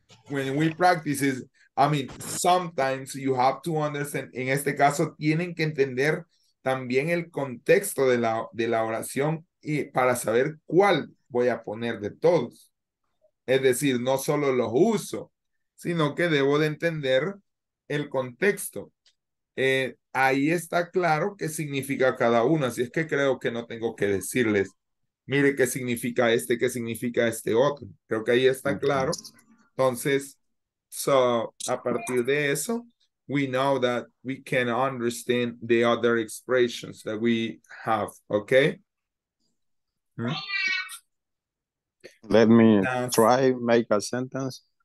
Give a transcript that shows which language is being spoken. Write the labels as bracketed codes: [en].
[en] When we practice, sometimes you have to understand. [es] En este caso, tienen que entender también el contexto de la oración y para saber cuál voy a poner de todos. Es decir, no solo los uso, sino que debo de entender el contexto. Ahí está claro qué significa cada uno, así es que creo que no tengo que decirles, mire qué significa este, qué significa este otro. Creo que ahí está claro. [en] Entonces, so, [es] a partir de eso, [en] we know that we can understand the other expressions that we have, okay? Let me try make a sentence.